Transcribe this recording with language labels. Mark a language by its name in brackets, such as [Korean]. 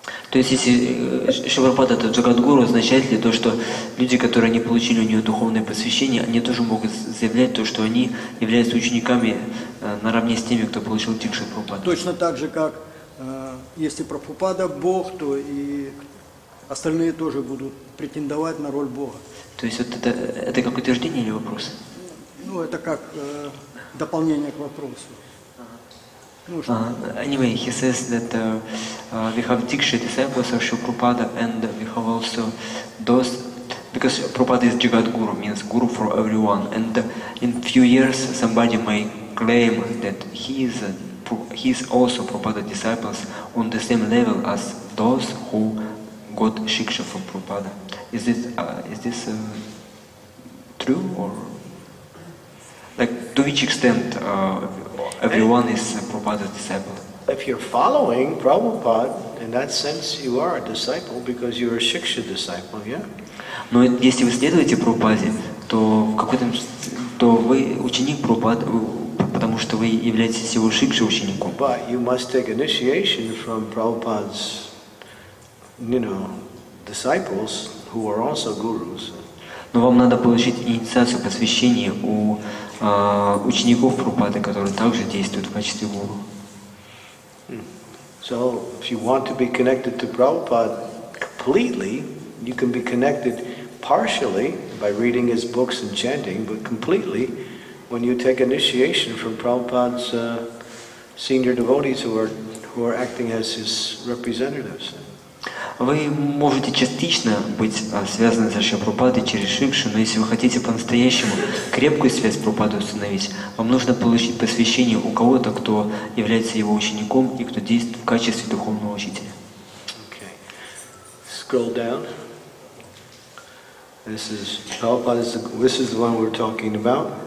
[Russian] То есть, если Шивропада это Джагадгуру, означает ли то, что люди, которые не получили у нее духовное посвящение, они тоже могут заявлять то, что они являются учениками наравне с теми, кто получил дикшу Прабхупады? Точно так же, как если Прабхупада Бог, то и остальные тоже будут претендовать на роль Бога. То есть вот это как утверждение или вопрос? Ну, это как дополнение к вопросу. [English] Anyway, he says that we have Dikshu disciples of Shri Prabhupada and we have also those, because Prabhupada is Jagadguru, means guru for everyone, and in few years somebody may claim that he is also Prabhupada disciples on the same level as those who got Shiksha from Prabhupada. Is this true or? Like, to which extent everyone is Prabhupada's disciple? If you're following Prabhupada, in that sense you are a disciple because you're a Shiksha disciple, yeah? [Russian] Но если вы следуете Прабхупаде, то в какой-то то вы ученик Прабхупады, потому что вы являетесь его Шикша учеником. [English] But you must take initiation from Prabhupada's, you know, disciples who are also gurus. [Russian] Но вам надо получить инициацию посвящения у учеников Прабхупады, которые также действуют в качестве гуру. [English] So, if you want to be connected to Prabhupada completely, you can be connected partially by reading his books and chanting, but completely when you take initiation from Prabhupada's senior devotees who are acting as his representatives. [Russian] Вы можете частично быть связаны со Шри Прабхупадой через Шикшу, но если вы хотите по-настоящему крепкую связь с Прабхупадой установить, вам нужно получить посвящение у кого-то, кто является его учеником и кто действует в качестве духовного учителя. [English] Okay. Scroll down. This is the one we're talking about.